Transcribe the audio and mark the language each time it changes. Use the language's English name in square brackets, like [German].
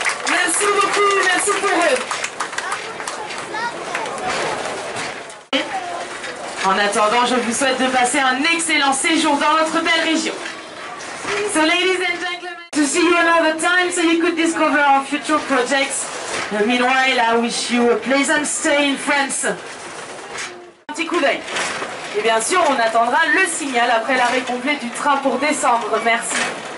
[French] Merci beaucoup, merci pour eux. En attendant, je vous souhaite de passer un excellent séjour dans notre belle région. [English] So ladies and gentlemen, to see you another time so you could discover our future projects. Meanwhile, I wish you a pleasant stay in France. [French] Un petit coup d'œil. Et bien sûr, on attendra le signal après l'arrêt complet du train pour descendre. Merci.